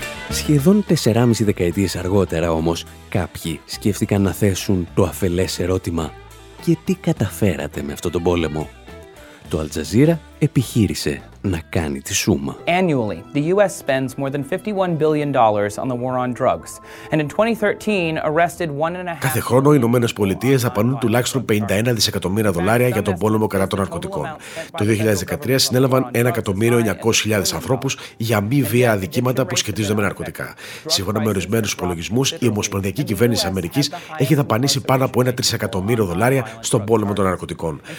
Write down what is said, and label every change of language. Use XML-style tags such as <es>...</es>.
<el>Σχεδόν 4,5 δεκαετίες αργότερα όμως, κάποιοι σκέφτηκαν να θέσουν το αφελές ερώτημα «Και τι καταφέρατε με αυτόν τον πόλεμο?». Το Αλτζαζίρα επιχείρησε να κάνει τη σούμα.</el> <en>Annually, the US spends more than $51 billion on the war on drugs. And in 2013, arrested 1.5</en> <el>Κάθε χρόνο οι Ηνωμένες Πολιτείες δαπανούν τουλάχιστον 51 δισεκατομμύρια δολάρια για τον πόλεμο κατά των ναρκωτικών. Το 2013 συνέλαβαν 1.900.000 ανθρώπους για μη βία αδικήματα που σχετίζονται με ναρκωτικά. Σύμφωνα με ορισμένους υπολογισμούς, η Ομοσπονδιακή Κυβέρνηση Αμερικής έχει δαπανήσει πάνω από 1 τρισεκατομμύριο δολάρια στον πόλεμο των ναρκωτικών.</el>